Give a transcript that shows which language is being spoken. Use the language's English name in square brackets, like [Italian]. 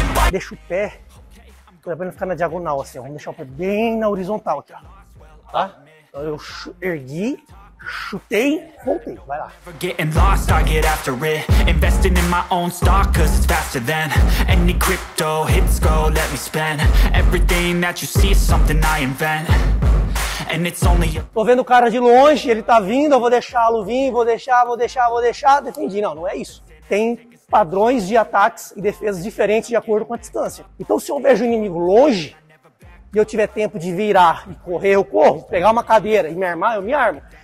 [Portuguese] Deixa o pé, pra ele não ficar na diagonal assim, vamos deixar o pé bem na horizontal aqui, ó. Tá? Então eu ergui, chutei, voltei, vai lá. [English] Getting lost, I get after it. Investing in my own stock, cause it's faster than any crypto hits go, let me spend. Everything that you see is something I invent. And it's only. [Portuguese] Tô vendo o cara de longe, ele tá vindo, eu vou deixá-lo vir, vou deixar. Defendi, não é isso. Tem padrões de ataques e defesas diferentes de acordo com a distância. Então, se eu vejo um inimigo longe e eu tiver tempo de virar e correr, eu corro, pegar uma cadeira e me armar, eu me armo.